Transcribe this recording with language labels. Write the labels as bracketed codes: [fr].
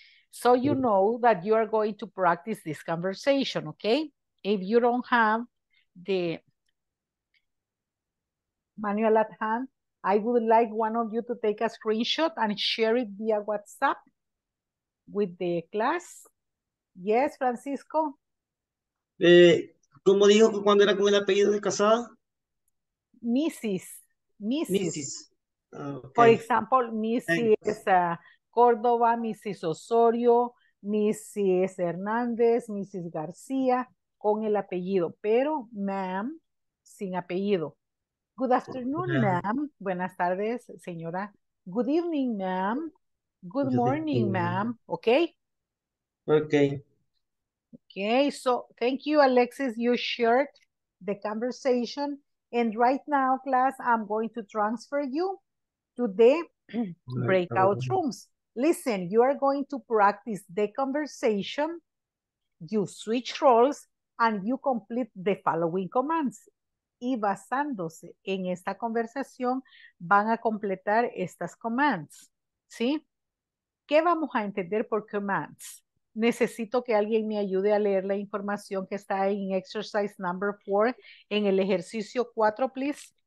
[en] So you know that you are going to practice this conversation, okay? If you don't have the manual at hand, I would like one of you to take a screenshot and share it via WhatsApp with the class. Yes, Francisco? [es] ¿Cómo dijo que cuando era con el apellido de casada? [en] Mrs. Mrs. Mrs. Okay. For example, Mrs. Córdoba, Mrs. Osorio, Mrs. Hernández, Mrs. [es] García, con el apellido, pero ma'am, sin apellido. [en] Good afternoon, ma'am. [es] Buenas tardes, señora. [en] Good evening, ma'am. Good morning, ma'am. Okay? Okay. Okay, so thank you, Alexis. You shared the conversation. And right now, class, I'm going to transfer you to the breakout rooms. Listen, you are going to practice the conversation, you switch roles, and you complete the following commands. [es] Y basándose en esta conversación, van a completar estas commands, ¿sí? ¿Qué vamos a entender por commands? Necesito que alguien me ayude a leer la información que está en [en] exercise number 4, [es] en el ejercicio 4, please.